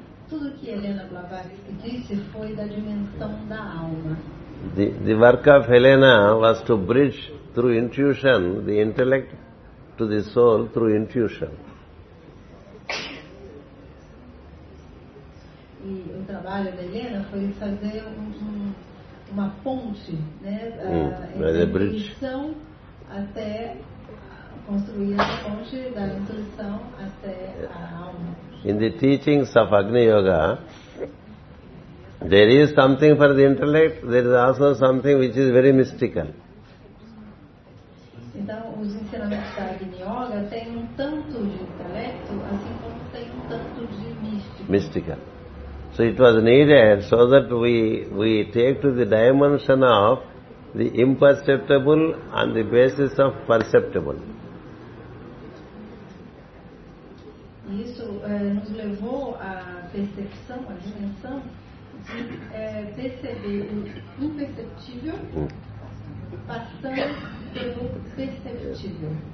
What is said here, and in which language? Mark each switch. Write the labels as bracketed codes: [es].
[en] The work of Helena was to bridge through intuition the intellect to the soul through intuition. [pt] trabalho da Helena foi fazer uma ponte, né? Entre a intuição até construir essa ponte da intuição até a alma. [en] In the teachings of Agni Yoga, there is something for the intellect, there is also something which is very mystical. [pt] Então, os ensinamentos da Agni Yoga têm um tanto de intelecto, assim como tem um tanto de místico. [en] Mystical. So it was needed so that we take to the dimension of the imperceptible on the basis of perceptible. [pt] Isso nos levou à percepção, à dimensão de perceber o imperceptível passando pelo perceptível.